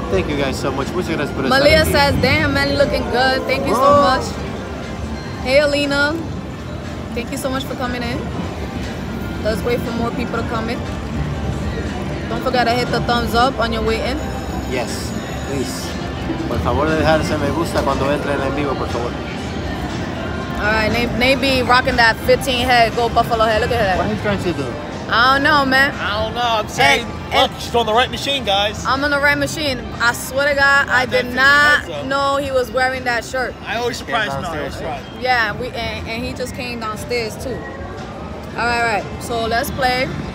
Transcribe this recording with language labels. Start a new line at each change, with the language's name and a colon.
English: Thank you guys so much.
Spanish: Muchas gracias por estar Malia aquí.
English: Says, damn, Manny looking good. Thank you so much. Hey, Alina. Thank you so much for coming in. Let's wait for more people to come in. Don't forget to hit the thumbs up on your way in. Yes, please.
Spanish: Por favor, dejar ese me gusta cuando entre en vivo, por favor.
English: Alright, they be rocking that 15 head gold buffalo head. Look at that. What are you trying to do? I don't know, man. I don't know. I'm saying, look, she's on the right machine, guys. I'm on the right machine. I swear to God, I did not know he was wearing that shirt. I always surprised him. Yeah, and he just came downstairs, too. Alright, so let's play.